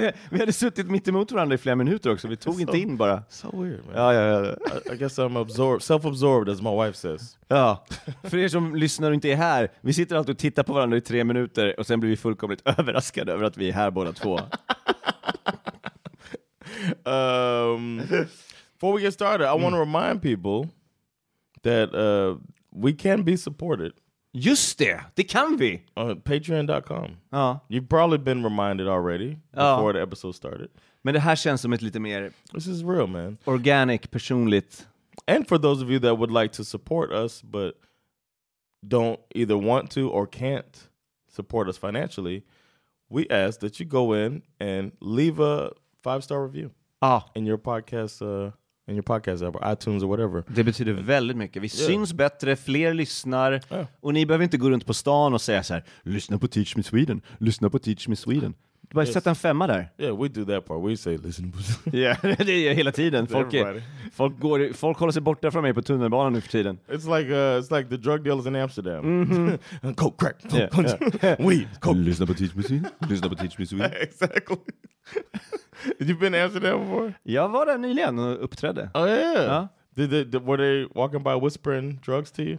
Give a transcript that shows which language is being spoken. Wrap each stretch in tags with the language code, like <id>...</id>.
<sv>Vi hade suttit mitt emot varandra i flera minuter också. Vi tog inte in bara.</sv> <en>So weird, man.</en> <sv>Ja, ja, ja.</sv> <en>I guess I'm absorbed, self-absorbed, as my wife says.</en> <sv>Ja. För er som lyssnar och inte är här, vi sitter alltid och tittar på varandra i tre minuter och sen blir vi fullkomligt överraskade över att vi är här båda två.</sv> <en>Before we get started, I want to remind people that we can be supported.</en> <sv>Just det, det kan vi. Patreon.com. Ja.</sv> <en>You've probably been reminded already before the episode started.</en> <sv>Men det här känns som ett lite mer...</sv> <en>This is real, man.</en> <sv>Organic, personligt.</sv> <en>And for those of you that would like to support us but don't either want to or can't support us financially, we ask that you go in and leave a 5-star review in your podcast in your podcast app, iTunes or whatever.</en> <sv>Det betyder väldigt mycket. Vi syns bättre, fler lyssnar. Och ni behöver inte gå runt på stan och säga så här, lyssna på Teach Me Sweden, lyssna på Teach Me Sweden. Du bara sätta en femma där.</sv> <en>Yeah, we do that part. We say listen.</en> <sv>Yeah, det gör hela tiden. Folk håller sig borta från mig på tunnelbanan nu för tiden.</sv> <en>It's like the drug dealers in Amsterdam. Mm-hmm. Coke crack. Coke, yeah. Yeah. Weed. Coke.</en> <sv>Lyssna på Teach Me Sweden. Lyssna på Teach Me Sweden.</sv> <en>Exactly. Have you been to Amsterdam before?</en> <sv>Jag var där nyligen och uppträdde.</sv> <en>Oh, yeah. Ja. Were they walking by whispering drugs to you?</en>